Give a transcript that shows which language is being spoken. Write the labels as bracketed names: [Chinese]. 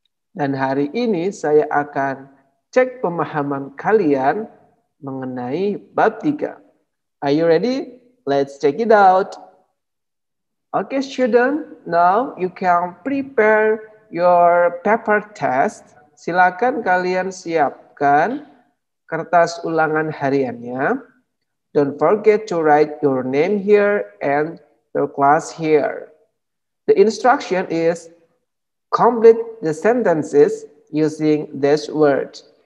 [Indonesian] Dan hari ini saya akan cek pemahaman kalian mengenai bab 3. [English] Are you ready? Let's check it out. Okay, student, now you can prepare your paper test. [Indonesian] Silakan kalian siapkan kertas ulangan hariannya. [English] Don't forget to write your name here and your class here. The instruction is complete the sentences using this word.